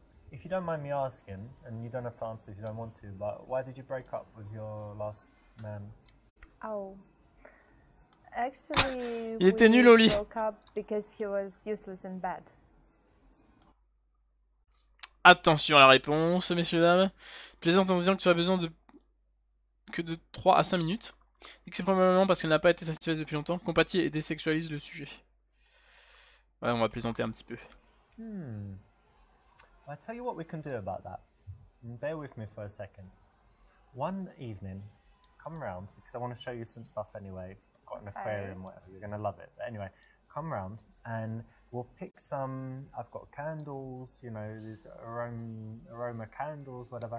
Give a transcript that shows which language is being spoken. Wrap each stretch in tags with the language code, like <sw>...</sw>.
<en>If you don't mind me asking, and you don't have to answer if you don't want to, but why did you break up with your last man? Oh, actually,</en> <fr>il était nul au lit.</fr> <en>Broke up because he was useless in bed.</en> <fr>Attention à la réponse, messieurs dames. Plaisante en disant que tu as besoin de 3 à 5 minutes. Et que c'est probablement parce qu'elle n'a pas été satisfaite depuis longtemps. Compatie et désexualise le sujet. Ouais, on va plaisanter un petit peu.</fr> <en>I tell you what we can do about that. Bear with me for a second. One evening. Come round, because I want to show you some stuff anyway. I've got an aquarium, whatever, you're going to love it. But anyway, come round, and we'll pick some, I've got candles, you know, these aroma candles, whatever.</en>